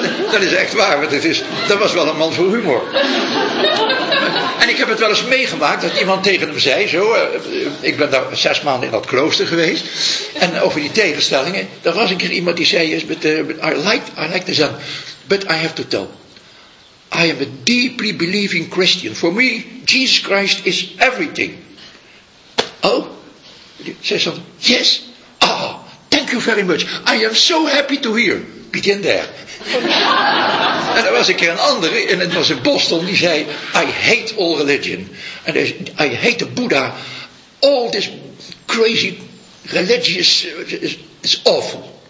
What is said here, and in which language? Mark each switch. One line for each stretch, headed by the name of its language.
Dutch: Dat is echt waar, want dat was wel een man voor humor. En ik heb het wel eens meegemaakt dat iemand tegen hem zei, zo, ik ben daar 6 maanden in dat klooster geweest, en over die tegenstellingen, daar was een keer iemand die zei,
English: yes, I like the Zen, but I have to tell, I am a deeply believing Christian. For me, Jesus Christ is everything. Oh,
Dutch: zei ze,
English: yes, oh, thank you very much, I am so happy to hear.
Dutch: Begin daar. En er was een keer een andere, en het was in Boston, die zei,
English: I hate all religion. And I hate the Buddha. All this crazy religious is awful.